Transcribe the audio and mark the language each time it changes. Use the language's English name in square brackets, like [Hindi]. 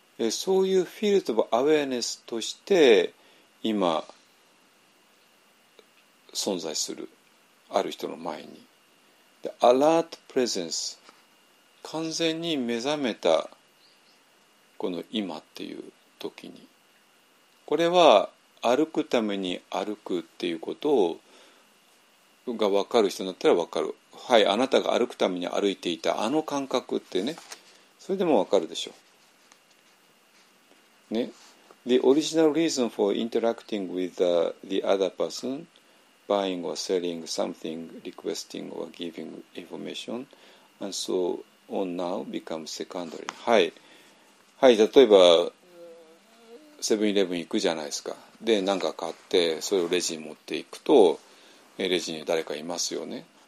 [Japanese] そういうフィールドアウェアネスとして今存在するある人の前に、でアラートプレゼンス、完全に目覚めたこの今っていうときに、これは歩くために歩くっていうことをが分かる人だったら分かる。はい、あなたが歩くために歩いていたあの感覚ってね、それでも分かるでしょう。ね。 [English] The original reason for interacting with the other person, buying or selling something, requesting or giving information, and so on now become secondary. [Japanese] はい。はい、例えば、セブンイレブン行くじゃないですか。で、何か買って、それをレジに持っていくと、レジに誰かいますよね。